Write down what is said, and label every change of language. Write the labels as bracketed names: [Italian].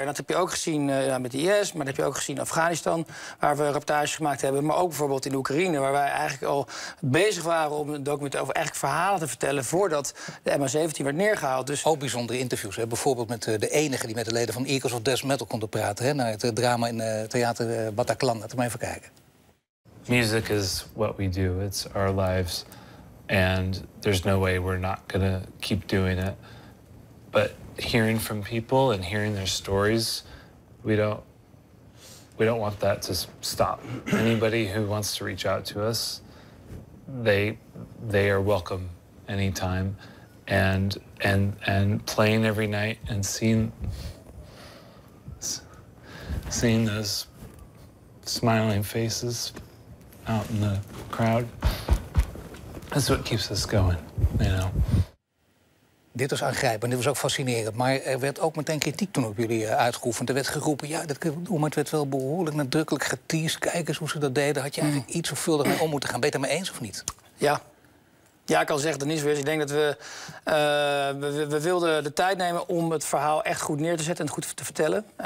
[Dutch] En dat heb je ook gezien met IS, maar dat heb je ook gezien in Afghanistan, waar we reportages gemaakt hebben, maar ook bijvoorbeeld in Oekraïne, waar wij eigenlijk al bezig waren om documenten over eigenlijk verhalen te vertellen voordat de MH17 werd neergehaald. Dus ook bijzondere interviews, hè? Bijvoorbeeld met de enige die met de leden van Eagles of Death Metal konden praten, hè? Naar het drama in theater Bataclan. Laten we maar even kijken. [English] Music is what we do. It's our lives. And there's no way we're not going to keep doing it. But hearing from people and hearing their stories, we don't want that to stop. Anybody who wants to reach out to us, they are welcome anytime. And playing every night and seeing those smiling faces out in the crowd, that's what keeps us going, you know. [Dutch] Dit was aangrijpend, dit was ook fascinerend. Maar er werd ook meteen kritiek toen op jullie uitgeoefend. Er werd geroepen, ja, dat kunnen we doen, maar het werd wel behoorlijk nadrukkelijk geteased. Kijk eens hoe ze dat deden. Had je eigenlijk iets of veel ermee om moeten gaan? Ben je het mee eens of niet? Ja. Ja, ik kan zeggen dat niet zo is. Ik denk dat we wilden de tijd nemen om het verhaal echt goed neer te zetten en het goed te vertellen.